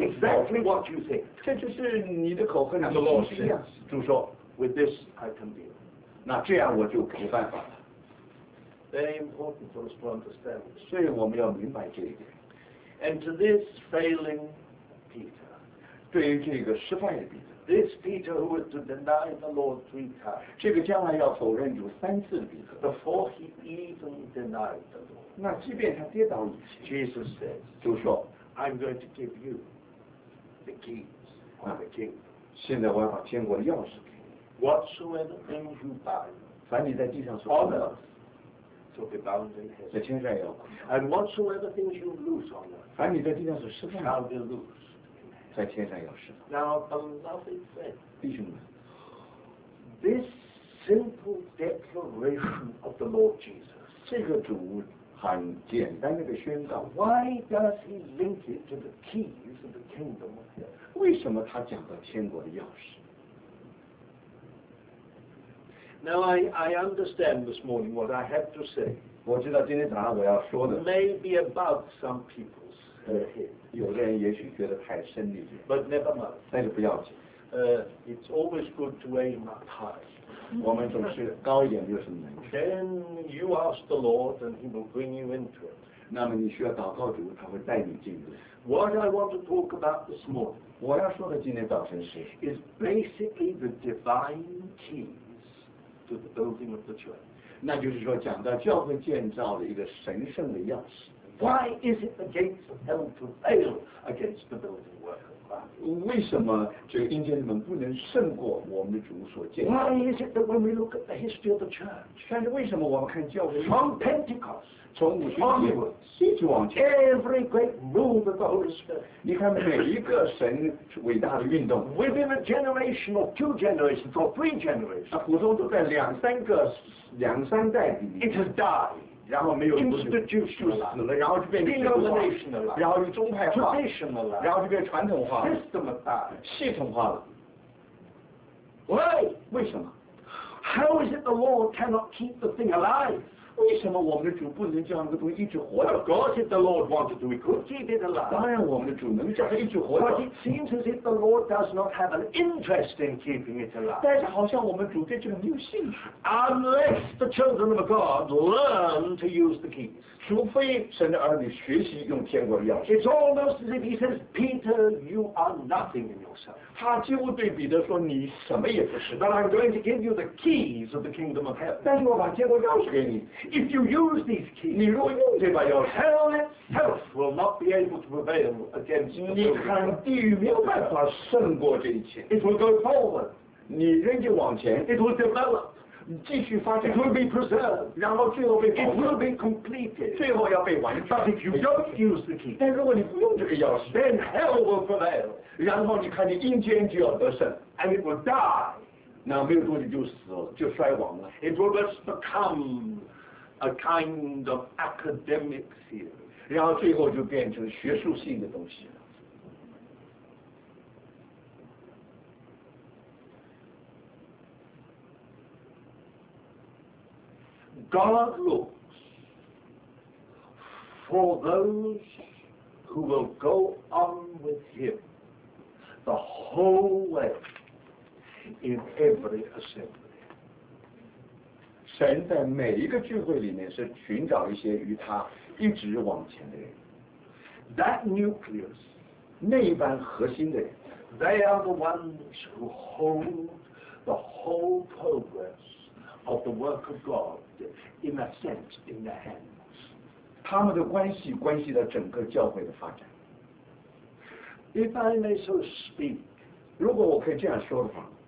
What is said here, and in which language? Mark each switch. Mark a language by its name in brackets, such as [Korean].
[English] Exactly what you think. [Chinese] 这就是你的口和你的老师。主说 [English] ，With this I can deal. [Chinese] 那这样我就没办法了。 [English] Very important for us to understand. [Chinese] 所以我们要明白这一点。 [English] And to this failing Peter. [Chinese] 对于这个失败的彼得 [English] ，This Peter who was to deny the Lord three times， [Chinese] 这个将来要否认主三次的彼得 [English] ，Before he even denied the Lord， [Chinese] 那即便他跌倒以前 [English] ，Jesus says， [Chinese] 就说 [English] ，I'm going to give you the keys of the kingdom。 [Chinese] 现在我要把天国的钥匙给你。 [English] Whatsoever things you bind， [Chinese] 凡你在地上所得的，就被 [English] bound in heaven， [Chinese] 在天上也要捆。 [English] And whatsoever things you lose on earth， [Chinese] 凡你在地上所失败的 [English] ，shall be lose。 [Chinese] 在天上有事。 [English] Now, beloved friends, [Chinese] 弟兄们 [English] ，this simple declaration of the Lord Jesus， [Chinese] 这个主很简单的宣告。 [English] Why does he link it to the keys of the kingdom of heaven？ [Chinese] 为什么他讲到天国的钥匙 [English] ？Now, I understand this morning what I have to say。 [Chinese] 我知道今天早上我要说的。 [English] May be above some people's head。 [Chinese] 有的人也许觉得太深一点 [English] ，But never mind， [Chinese] 但是不要紧。 [English] It's always good to aim up high。 [Chinese] 我们总是高一点就是难。 [English] Then you ask the Lord and He will bring you into it。 [Chinese] 那么你需要祷告主，他会带你进入。 [English] What I want to talk about this morning, [Chinese] 我要说的今天早晨是 [English] is basically the divine keys to the building of the church. [Chinese] 那就是说讲到教会建造的一个神圣的钥匙。 [English] Why is it the gates of hell prevail against the building work of Christ? [Chinese] 为什么这个阴间之门不能胜过我们的主所建造的 [English] ？Why is it that when we look at the history of the church? [Chinese] 但是为什么我们看教会 [English] ？From Pentecost, [Chinese] 从五旬节一直往前 [English] ，Every great move of the Holy Spirit. [Chinese] 你看每一个神伟大的运动 [English] ，Within a generation or two generations or three generations, [Chinese] 那普通都在两三代里面 [English] ，It has died. [Chinese] 然后没有 [English] institutional [Chinese] 了，然后就变成 [English] denominational [Chinese] 了，然后就宗派化 [English] traditional [Chinese] 了，然后就变传统化 [English] systematized [Chinese] 系统化了。 [English] Why? [Chinese] 为什么 [English] ？How is it the Lord cannot keep the thing alive? [Chinese] 为什么我们的主不能叫那个东西一直活着 [English] ？Of course, if the Lord wanted to, we could keep it alive. [Chinese] 当然，我们的主能叫它一直活着。 [English] But it seems as if the Lord does not have an interest in keeping it alive. [Chinese] 但是好像我们主对这个没有兴趣。 [English] Unless the children of God learn to use the keys. [Chinese] 除非神的儿女学习用天国的钥匙。 [English] It's almost as if he says, Peter, you are nothing in yourself. [Chinese] 他几乎对彼得说，你什么也不是。 [English] But I'm going to give you the keys of the kingdom of heaven. [Chinese] 但是我把天国钥匙给你。 [English] If you use these keys, [Chinese] 你如果用这把钥匙 [English] ，hell itself will not be able to prevail against you. [Chinese] 你看地狱没有办法胜过这一切。 [English] It will go forward. [Chinese] 你仍旧往前。 [English] It will develop. [Chinese] 你继续发展。 [English] It will be preserved. [Chinese] 然后最后被。 [English] It will be completed. [Chinese] 最后要被完成。 [English] But if you don't use the keys, [Chinese] 但如果你不用这个钥匙 [English] ，then hell will prevail. [Chinese] 然后你看你阴间就要得胜。 [English] And it will die. [Chinese] 那没有多久就死了，就衰亡了。 [English] It will just become. A kind of academic theory, [Chinese] 然后最后就变成学术性的东西了。 [English] God looks for those who will go on with Him the whole way in every assembly. [Chinese] 神在每一个聚会里面是寻找一些与他一直往前的人。 [English] That nucleus, [Chinese] 那一般核心的人。 [English] They are the ones who hold the whole progress of the work of God in a sense in their hands. [Chinese] 他们的关系到整个教会的发展。 [English] If I may so speak, [Chinese] 如果我可以这样说的话